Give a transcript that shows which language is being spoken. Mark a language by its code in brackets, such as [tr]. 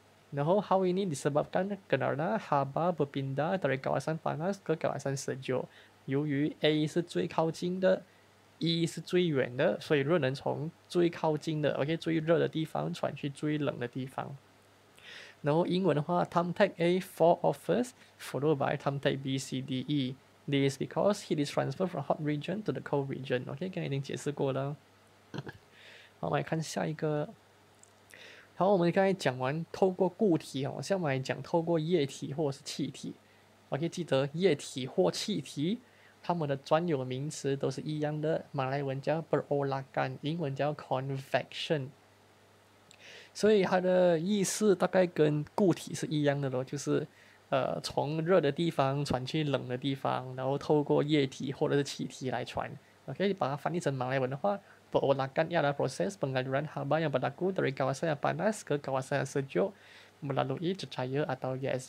[zh] 然后 [ms] hal ini disebabkan kerana haba berpindah dari kawasan panas ke kawasan sejuk. [zh] 由于 A 是最靠近的，E 是最远的，所以热能从最靠近的，OK，最热的地方传去最冷的地方。然后英文的话， [en] time take A fall off first, followed by time take B C D E。 This is because heat is transferred from hot region to the cold region. [zh] OK，刚才已经解释过了。好，我们来看下一个。好，我们刚才讲完透过固体哦，下面来讲透过液体或者是气体。 OK，记得液体或气体，它们的专有名词都是一样的，马来文叫 berolakan，英文叫 convection。所以它的意思大概跟固体是一样的咯，就是。从热的地方传去冷的地方，然后透过液体或者是气体来传。 OK，把它翻译成马来文的话， [ms] perolakan ialah proses pengaliran haba yang berlaku dari kawasan yang panas ke kawasan yang sejuk melalui cecair atau gas.